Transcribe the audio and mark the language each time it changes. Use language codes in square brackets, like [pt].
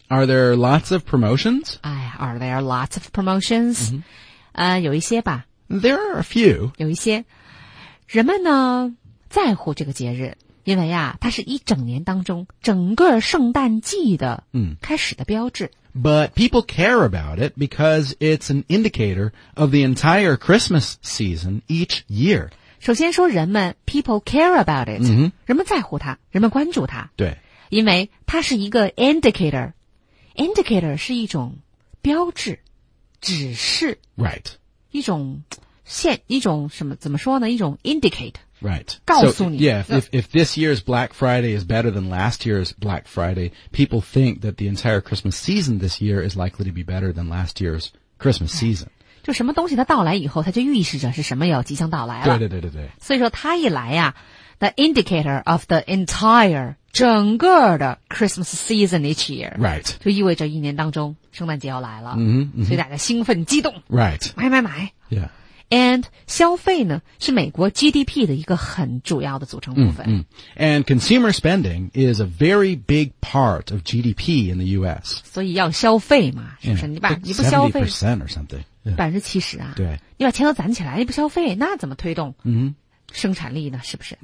[en] ？Are there lots of promotions? 哎 ，Are there lots of promotions?、 Mm-hmm. [zh] 有一些吧。 [en] There are a few. [zh] 有一些，人们呢在乎这个节日，因为呀，它是一整年当中整个圣诞季的嗯开始的标志。嗯 [en] But people care about it because it's an indicator of the entire Christmas season each year. [zh] 首先说人们 [en] people care about it.、 Mm-hmm. [zh] 人们在乎它，人们关注它。对，因为它是一个 indicator. Indicator 是一种标志、指示。 Right. 一种线，一种什么？怎么说呢？一种 indicate. Right. 告诉你。 [en] So, yeah. If this year's Black Friday is better than last year's Black Friday, people think that the entire Christmas season this year is likely to be better than last year's Christmas season. [zh] 就什么东西它到来以后，它就预示着是什么要即将到来了。对对对对对。所以说它一来呀、 [en] 啊、the indicator of the entire 整个的 Christmas season each year. Right. [zh] 就意味着一年当中圣诞节要来了。嗯、mm-hmm. 所以大家兴奋激动。 Right. 买买买。 Yeah. And 消费呢是美国 GDP 的一个很主要的组成部分。 [en] 嗯嗯、And consumer spending is a very big part of GDP in the US. [zh] 所以要消费嘛是不是 yeah, 你不消费。 [en] 70% or something.、Yeah. [zh] 70%啊。对。你把钱都攒起来你不消费那怎么推动生产力呢是不是